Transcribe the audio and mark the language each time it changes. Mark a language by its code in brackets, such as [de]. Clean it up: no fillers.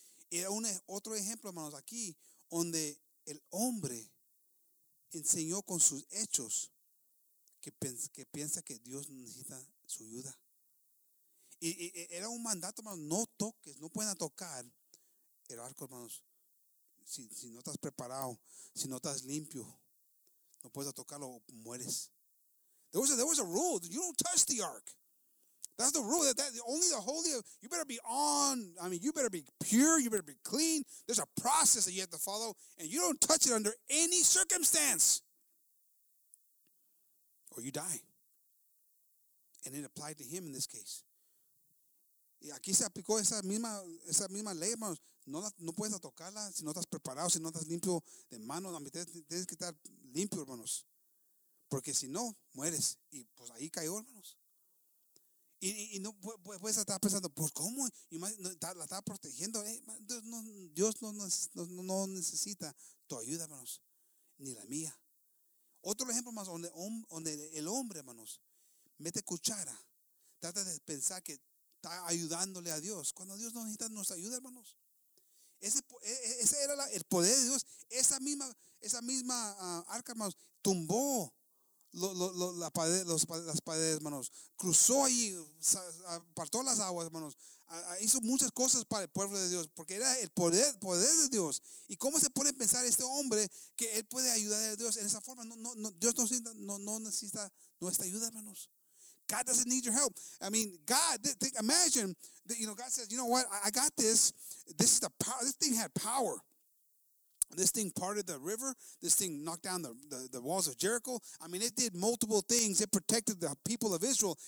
[es] Era otro ejemplo, hermanos, aquí, donde el hombre enseñó con sus hechos que piensa que Dios necesita su ayuda. Y era un mandato, hermanos, no toques, no pueden tocar el arco, hermanos. Si no estás preparado, si no estás limpio, no puedes tocarlo, mueres. [en] There was a rule, you don't touch the ark. That's the rule, that only the holy, you better be on, I mean, you better be pure, you better be clean. There's a process that you have to follow, and you don't touch it under any circumstance. Or you die. And it applied to him in this case. [es] Y aquí se aplicó esa misma ley, hermanos. No puedes tocarla si no estás preparado, si no estás limpio de mano. Tienes que estar limpio, hermanos. Porque si no, mueres. Y pues ahí cayó, hermanos. Y no puedes estar pensando, pues ¿cómo? Y más, la estaba protegiendo. Dios no necesita tu ayuda, hermanos. Ni la mía. Otro ejemplo más, donde el hombre, hermanos, mete cuchara, trata de pensar que está ayudándole a Dios, cuando Dios no necesita nuestra ayuda, hermanos. Ese era el poder de Dios. Esa misma arca, hermanos, tumbó las paredes, hermanos. Cruzó ahí, apartó las aguas, hermanos. hizo muchas cosas para el pueblo de Dios, porque era el poder de Dios. ¿Y cómo se puede pensar este hombre que él puede ayudar a Dios en esa forma? Dios no necesita nuestra ayuda, hermanos. [en] God doesn't need your help. I mean, God, imagine that, you know, God says, you know what, I got this. This is the power. This thing had power. This thing parted the river. This thing knocked down the walls of Jericho. I mean, it did multiple things. It protected the people of Israel.